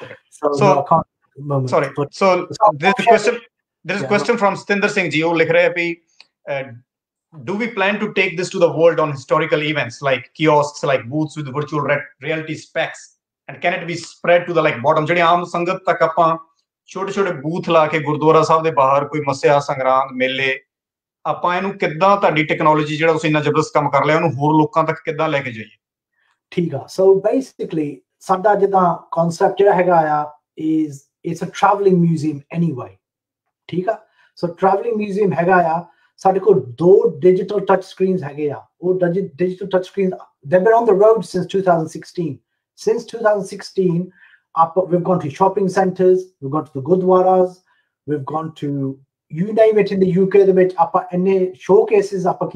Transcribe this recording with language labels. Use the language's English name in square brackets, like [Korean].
[English] So, no, I can't. Moment. Sorry. But, so there's a question. There's a question from Stinder Singh Jio, do we plan to take this to the world on historical events like kiosks, like booths with virtual reality specs? And can it be spread to the like bottom? [Punjabi] ਜਿਹੜੇ ਆਮ ਸੰਗਤ ਤੱਕ ਆਪਾਂ ਛੋਟੇ ਛੋਟੇ booth ਲਾ ਕੇ ਗੁਰਦੁਆਰਾ ਸਾਹਿਬ ਦੇ ਬਾਹਰ ਕੋਈ ਮੱਸਿਆ ਸੰਗਰਾਂਦ ਮੇਲੇ, ਆਪਾਂ ਇਹਨੂੰ ਕਿੱਦਾਂ ਤੁਹਾਡੀ ਟੈਕਨੋਲੋਜੀ ਜਿਹੜਾ ਤੁਸੀਂ ਇੰਨਾ ਜ਼ਬਰਦਸਤ ਕੰਮ ਕਰ ਲਿਆ ਉਹਨੂੰ ਹੋਰ ਲੋਕਾਂ ਤੱਕ ਕਿੱਦਾਂ ਲੈ ਕੇ ਜਾਈਏ? ਠੀਕ ਆ. ਸੋ ਬੇਸਿਕਲੀ ਸਾਡਾ ਜਿੱਦਾਂ ਕਨਸੈਪਟ ਜਿਹੜਾ ਹੈਗਾ ਆ [English] It's uh travelling museum anyway. [Punjabi] ਠੀਕ ਆ. ਸੋ ਟਰੈਵਲਿੰਗ ਮਿਊਜ਼ੀਅਮ ਹੈਗਾ ਆ, ਸਾਡੇ ਕੋਲ ਦੋ ਡਿਜੀਟਲ ਟੱਚ ਸਕਰੀਨਸ ਹੈਗੇ ਆ. ਉਹ ਡਿਜੀਟਲ ਟੱਚ ਸਕਰੀਨ [English] ਦੇ on the road since 2016. Since 2016, we've gone to shopping centers, we've gone to the gurdwaras, we've gone to, you name it, in the UK, the bit, showcases.